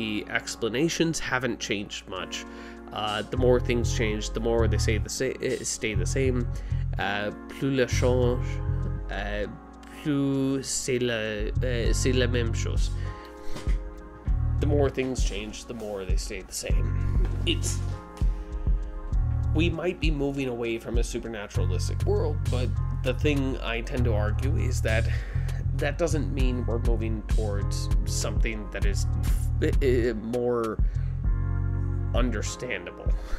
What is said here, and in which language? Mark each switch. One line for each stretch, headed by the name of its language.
English: The explanations haven't changed much. The more things change, the more they stay the same.
French: Plus la change, plus c'est la même chose.
English: The more things change, the more they stay the same. We might be moving away from a supernaturalistic world, but the thing I tend to argue is that that doesn't mean we're moving towards something that is more understandable.